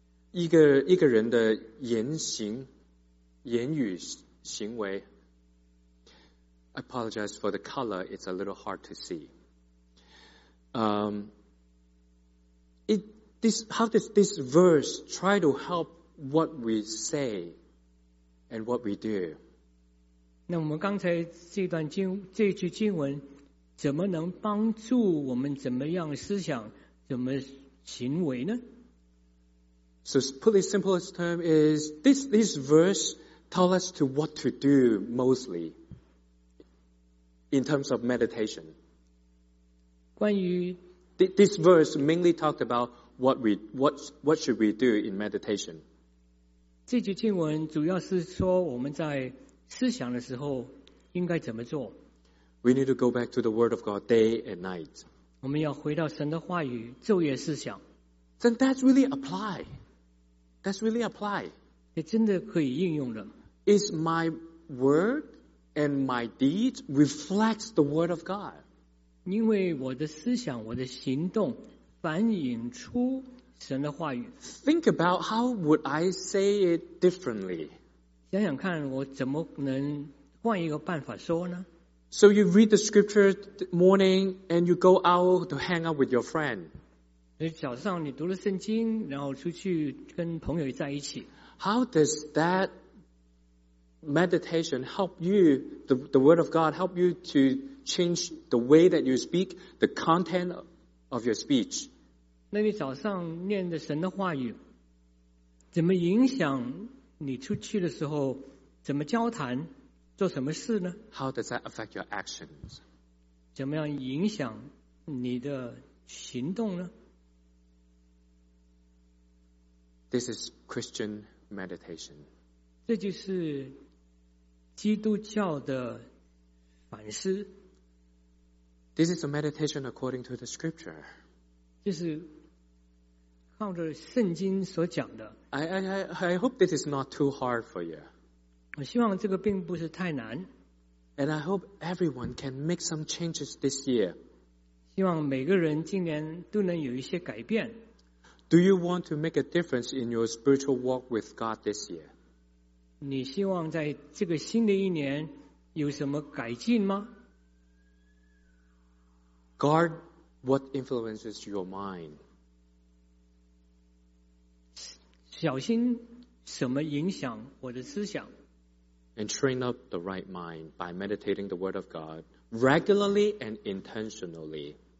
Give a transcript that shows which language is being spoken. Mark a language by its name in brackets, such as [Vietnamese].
[Chinese] 一个人的言行、言语、行为 [English] I apologize for the color, it's a little hard to see. How does this verse try to help what we say and what we do? [Chinese] 那我们刚才这句经文怎么能帮助我们怎么样思想怎么行为呢？ [English] So put the simplest term is this verse tell us to what to do mostly in terms of meditation. [Chinese] 关于 [English] This verse mainly talked about what should we do in meditation. [Chinese] 这句经文主要是说我们在思想的时候应该怎么做？ [English] We need to go back to the word of God day and night. [Chinese] 我们要回到神的话语昼夜思想。 [English] Then that's really apply. That's really apply. [Chinese] 也真的可以应用的。 [English] Is my word and my deeds reflects the word of God? [Chinese] 因为我的思想我的行动反映出神的话语。 [English] Think about how would I say it differently? [Chinese] 想想看我怎么能换一个办法说呢？ [English] So you read the scripture morning and you go out to hang out with your friend. [Chinese] 早上你读了圣经然后出去跟朋友在一起。 [English] How does that meditation help you, the word of God help you to change the way that you speak, the content of your speech? [Chinese] 那你早上念的神的话语怎么影响你出去的时候怎么交谈做什么事呢？ [English] How does that affect your actions? [Chinese] 怎么样影响你的行动呢？ [English] This is Christian meditation. [Chinese] 这就是基督教的反思。 [English] This is a meditation according to the scripture. [Chinese] 这是靠着圣经所讲的。 [English] I hope this is not too hard for you. [Chinese] 我希望这个并不是太难。 [English] And I hope everyone can make some changes this year. [Chinese] 希望每个人今年都能有一些改变。 [English] Do you want to make a difference in your spiritual walk with God this year? [Chinese] 你希望在这个新的一年有什么改进吗？ [English] Guard what influences your mind. [Chinese] 小心什么影响我的思想。 [English] And train up the right mind by meditating the Word of God regularly and intentionally.